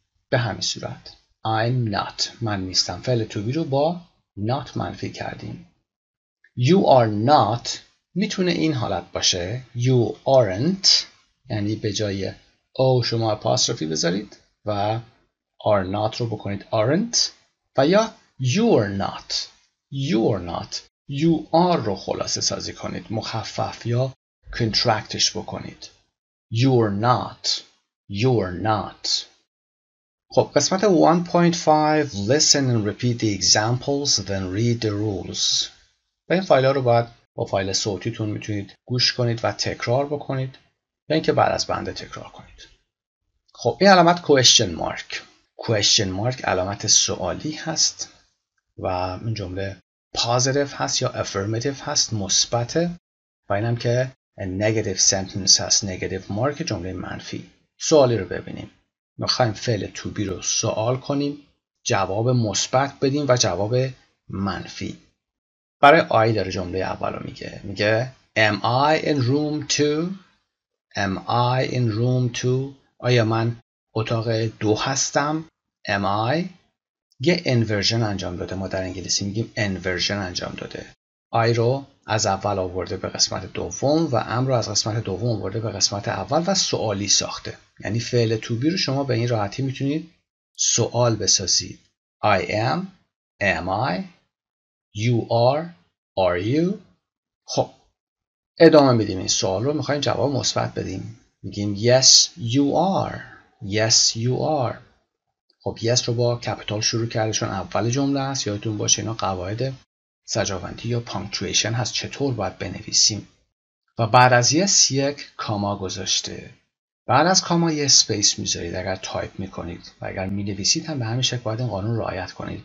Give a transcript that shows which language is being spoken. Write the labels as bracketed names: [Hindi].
[Persian] به همین صورت [English] I'm not [Persian] من نیستم، فعل to be رو با not منفی کردیم. [English] You are not [Persian] میتونه این حالت باشه [English] You aren't، [Persian] یعنی به جای O شما apostrophe بذارید و are not رو بکنید aren't، و یا [English] you're not. You're not You are [Persian] رو خلاصه سازی کنید، مخفف یا contractش بکنید. [English] You're not. You're not. [Persian] خب قسمت [English] 1.5 Listen and repeat the examples then read the rules. [Persian] و این فایل ها رو باید با فایل صوتیتون میتونید گوش کنید و تکرار بکنید یا اینکه بعد از بنده تکرار کنید. خب این علامت question mark. Question mark علامت سوالی هست و این جمله positive هست یا affirmative هست، مثبته. و اینم که [English] a negative sentence [Persian] هست، negative mark جمله منفی. سوالی رو ببینیم. میخواییم فعل to be رو سوال کنیم، جواب مثبت بدیم و جواب منفی. برای I داره جمله اول رو میگه. [English] میگه Am I in room 2? Am I in room 2? [Persian] آیا من اتاق 2 هستم؟ [English] Am I؟ [Persian] یه inversion انجام داده. ما در انگلیسی میگیم inversion انجام داده. I رو از اول آورده به قسمت دوم و ام رو از قسمت دوم آورده به قسمت اول و سوالی ساخته. یعنی فعل to be رو شما به این راحتی میتونید سوال بسازید. [English] I am. Am I? You are. Are you? [Persian] خب ادامه میدیم این سوال رو. میخواییم جواب مثبت بدیم. [English] میگیم Yes, you are. Yes, you are. [Persian] خب [English] Yes [Persian] رو با capital شروع کرده چون اول جمله است. یادتون باشه اینا قواعد سجاوندی یا punctuation هست، چطور باید بنویسیم. و بعد از Yes یک کاما گذاشته. بعد از کاما یه اسپیس میذارید اگر تایپ میکنید و اگر مینویسید هم به همین شکل باید این قانون رعایت کنید.